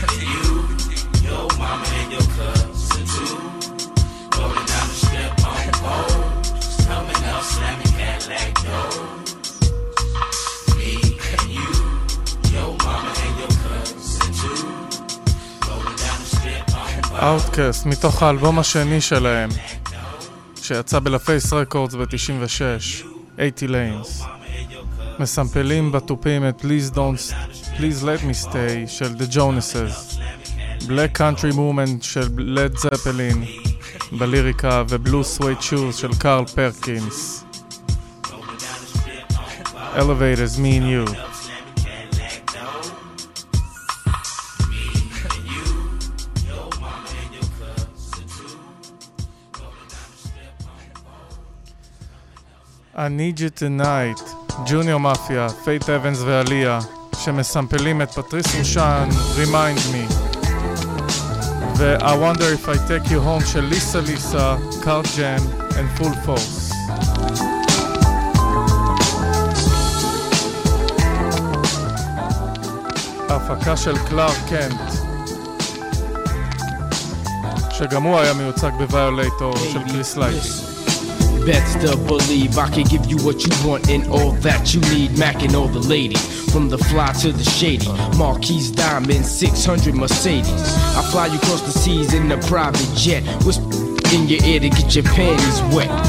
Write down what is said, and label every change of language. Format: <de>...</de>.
<en>You, your mama and your cousin too. Rolling down the strip on the boat. Coming up, slamming Cadillac doors. Me and you, your mama and your cousin too. Rolling down the strip on the boat.</en> <he>Outcast, מתוך האלבום השני שלהם, שיצא בלפייס רקורדס ב-96, 80 Lanes. מסמפלים בתופים את Please Don't, Please Let Me Stay של The Jonas's, Black Country Movement של Led Zeppelin בליריקה ו-Blue Suede Shoes של Carl Perkins.</he> <en>Elevators, Me and You.</en> <he>I Need You Tonight, ג'וניור מאפיה, פייט אבנס ואליה, שמסמפלים את פטריס רושן, Remind Me. ו-I Wonder If I Take You Home של ליסה ליסה, קארט ג'אם, and Full Force. ההפקה של קלאר קנט, שגם הוא היה מיוצג בוויולייטור של קריס לייטי.</he> <en>Best to believe I can give you what you want and all that you need. Mac and all the ladies, from the fly to the shady. Marquis Diamond, 600 Mercedes. I fly you across the seas in a private jet. Whisper in your ear to get your panties wet.</en>